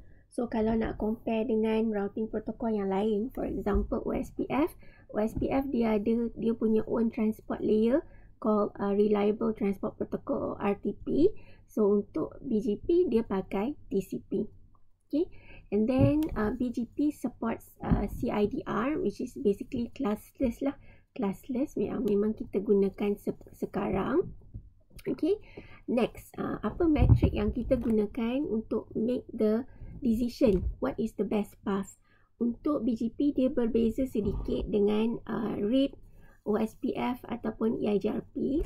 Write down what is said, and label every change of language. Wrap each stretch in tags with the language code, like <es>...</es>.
<ms>So, kalau nak compare dengan routing protocol yang lain,</ms> <en>for example</en> <ms>OSPF, dia ada dia punya</ms> <en>own transport layer called Reliable Transport Protocol or RTP.</en> <ms>So untuk BGP, dia pakai TCP.</ms> <en>Okay. And then BGP supports CIDR, which is basically classless lah.</en> <ms>Classless yang memang kita gunakan sekarang. Okay. Next, apa metric yang kita gunakan untuk</ms> <en>make the decision? What is the best path?</en> <ms>Untuk BGP, dia berbeza sedikit dengan RIP, OSPF ataupun EIGRP.</ms>